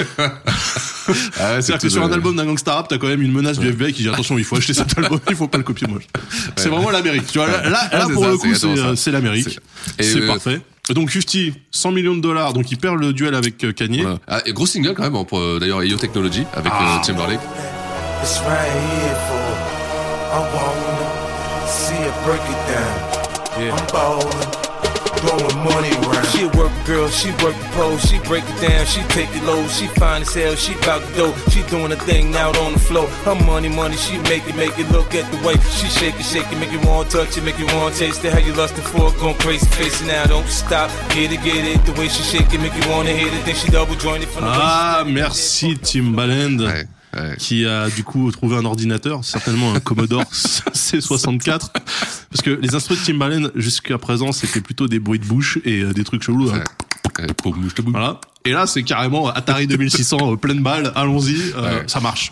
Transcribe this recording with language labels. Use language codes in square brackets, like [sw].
[fr] Ah ouais, c'est-à-dire que sur un album d'un gangsta rap, t'as quand même une menace du FBI qui dit attention, il faut acheter cet album, il faut pas le copier moche. C'est vraiment l'Amérique. Tu vois, c'est l'Amérique. C'est parfait. Donc, 50, 100 millions de dollars. Donc, il perd le duel avec Kanye. Voilà. Ah, et gros single quand même, pour d'ailleurs, Ayo Technology avec Timberlake. [en] It's right here for... I wanna see it break it down. Yeah. I'm ballin'. Money around. She a work girl, she work the pose, she break it down, she take it low, she fine as hell, she bout the dough, she doing a thing out on the floor. Her money, she make it, look at the way she shake it, make you wanna touch it, make you wanna taste it. How you lustin' for it, going crazy, face it now, don't stop, get it, the way she shake it, make you wanna hit it, then she double joint it from the waist. [fr] Ah, merci Timbaland. Ouais. Ouais. Qui a du coup trouvé un ordinateur, certainement un Commodore C64, parce que les instruments de Timbaland jusqu'à présent c'était plutôt des bruits de bouche et des trucs chelous. Ouais. Hein. Voilà. Et là c'est carrément Atari 2600 pleine balle, allons-y, ça marche.